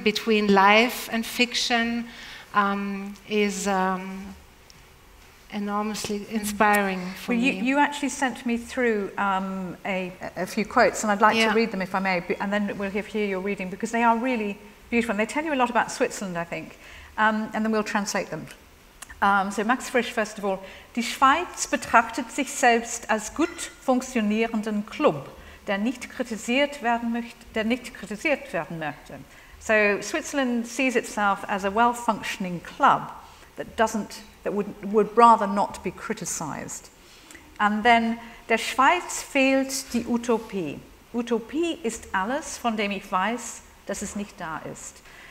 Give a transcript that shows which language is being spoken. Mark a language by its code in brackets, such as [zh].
[en] between life and fiction, is enormously inspiring for me. You actually sent me through a few quotes, and I'd like to read them, if I may, and then we'll hear your reading, because they are really beautiful, and they tell you a lot about Switzerland, I think, and then we'll translate them. So Max Frisch, first of all, [de] die Schweiz betrachtet sich selbst als gut funktionierenden Club, der nicht kritisiert werden möchte. [en] So Switzerland sees itself as a well-functioning club that would rather not be criticized. And then, [de] der Schweiz fehlt die Utopie. Utopie ist alles, von dem ich weiß, dass es nicht da ist.